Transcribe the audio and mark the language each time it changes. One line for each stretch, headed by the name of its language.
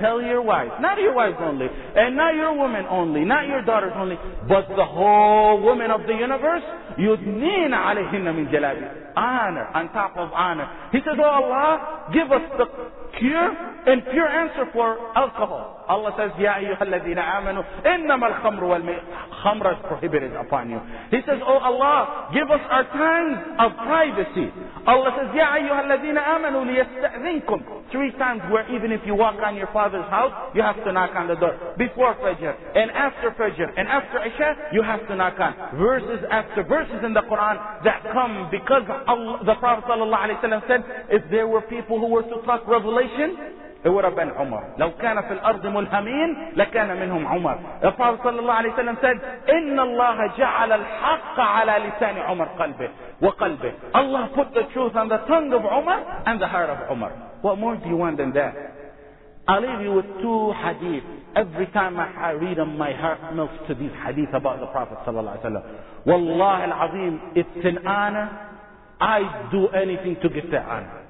English: Tell your wives, not your wives only, and not your women only, not your daughters only, but the whole women of the universe,
Arabic: يُدْنِينَ عَلَيْهِنَّ مِنْ جَلَابِ.
English: Honor, on top of honor. He says, oh Allah, give us the cure and pure answer for alcohol. Allah says,
Arabic: يَا أَيُّهَا الَّذِينَ آمَنُوا إِنَّمَا الْخَمْرُ وَالْمَيْسِرُ
English: is prohibited upon you. He says, oh Allah, give us our times of privacy. Allah says,
Arabic: يَا أَيُّهَا الَّذِينَ آمَنُوا لِيَسْتَأْذِنْكُمْ.
English: Three times where even if you walk on your father's house, you have to knock on the door. Before Fajr, and after Isha, you have to knock on. Verses after verses in the Quran that come because Allah, the Prophet sallallahu alayhi wa sallam said, if there were people who were to talk revelation, it would have been Umar.
Arabic: لو كان في الأرض ملهمين لكان منهم عمر.
English: The Prophet
Arabic: صلى الله عليه وسلم
English: said,
Arabic: إن الله جعل الحق على لسان عمر قلبه وقلبه.
English: Allah put the truth on the tongue of Umar and the heart of Umar. What more do you want than that? I'll leave you with two hadith. Every time I read them, my heart melts to these hadith about the Prophet
Arabic: صلى الله عليه وسلم. والله العظيم,
English: it's an honor. I do anything to get that honor.